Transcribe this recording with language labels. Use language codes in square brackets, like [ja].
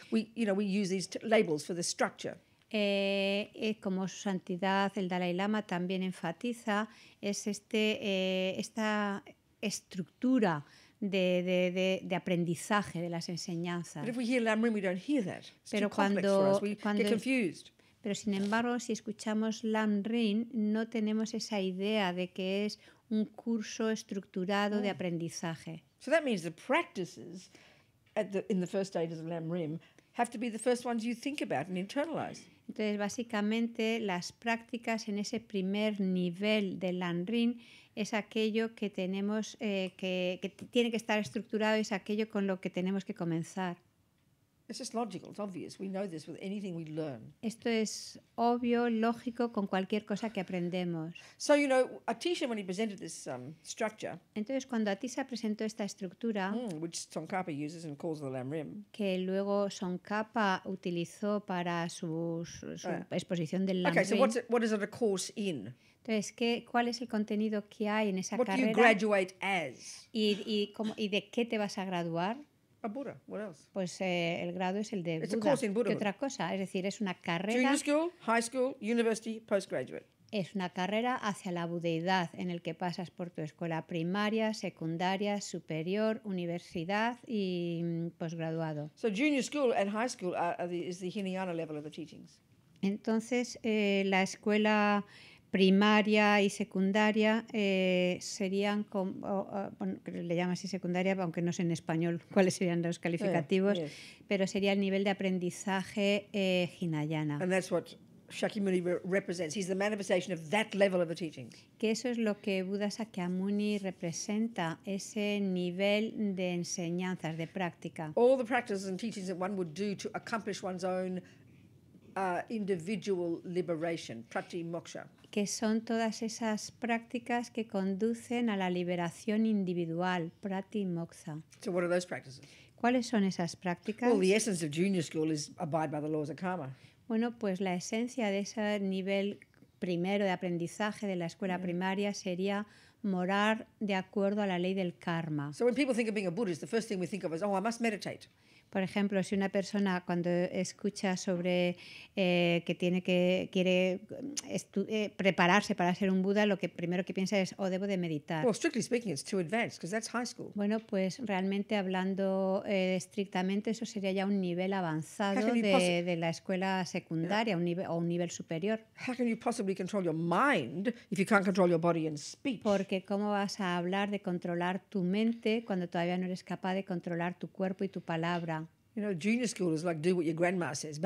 [en] We use these labels for the structure. [es] Como Su Santidad el Dalai Lama también enfatiza, es esta estructura de aprendizaje de las enseñanzas. [en] But if we hear Lam Rim, we don't hear that. It's [es] Pero [en] too complex for us. We get confused. [es] Pero sin embargo, si escuchamos Lam Rim, no tenemos esa idea de que es un curso estructurado de aprendizaje. [en] So that means the practices in the first stages of Lam Rim have to be the first ones you think about and internalize. [es] Entonces, básicamente, las prácticas en ese primer nivel de Lam Rim es aquello que tenemos tiene que estar estructurado, es aquello con lo que tenemos que comenzar. [en] It's just logical, it's obvious. We know this with anything we learn. [es] Esto es obvio, lógico, con cualquier cosa que aprendemos. [en] So, you know, Atisha, when he presented this structure... [es] Entonces, cuando Atisha presentó esta estructura... [en] Which Tsongkhapa uses and calls the Lam Rim. [es] Que luego Tsongkhapa utilizó para su exposición del Lam [en] Rim. Okay, so what is it a course in? [es] Entonces, ¿cuál es el contenido que hay en esa carrera? [en] What do you graduate as? [es] ¿Y de qué te vas a graduar? [en] A Buddha, what else? [es] Pues el grado es el de [en] It's Buddha. A course in Buddhism. [es] ¿Qué otra cosa? Es decir, es una carrera. [en] Junior school, high school, university, postgraduate. [es] Es una carrera hacia la budeidad en el que pasas por tu escuela primaria, secundaria, superior, universidad y posgraduado. [en] So junior school and high school is the Hinayana level of the teachings. [es] Entonces, la escuela primaria y secundaria serían le llamas así secundaria, aunque no sé en español cuáles serían los calificativos, pero sería el nivel de aprendizaje Hinayana. [en] And that's what Shakyamuni represents. He's the manifestation of that level of the teachings. [es] Que eso es lo que Buda Shakyamuni representa, ese nivel de enseñanzas, de práctica. [en] All the practices and teachings that one would do to accomplish one's own individual liberation, prati moksha. [es] Que son todas esas prácticas que conducen a la liberación individual, prati moksha. [en] So what are those practices? [es] ¿Cuáles son esas prácticas? [en] Well, the essence of junior school is abide by the laws of karma. [es] Bueno, pues la esencia de ese nivel primero de aprendizaje de la escuela primaria sería morar de acuerdo a la ley del karma. [en] So when people think of being a Buddhist, the first thing we think of is, oh, I must meditate. [es] Por ejemplo, si una persona cuando escucha sobre que tiene que quiere prepararse para ser un Buda, lo que primero que piensa es, oh, debo de meditar. [en] Well, strictly speaking, it's too advanced, 'cause that's high school. [es] Bueno, pues realmente hablando estrictamente, eso sería ya un nivel avanzado de la escuela secundaria, yeah. un nivel superior. [en] How can you possibly control your mind if you can't control your body and speech? [es] Porque ¿cómo vas a hablar de controlar tu mente cuando todavía no eres capaz de controlar tu cuerpo y tu palabra? [en] You know, junior school is like do what your grandma says.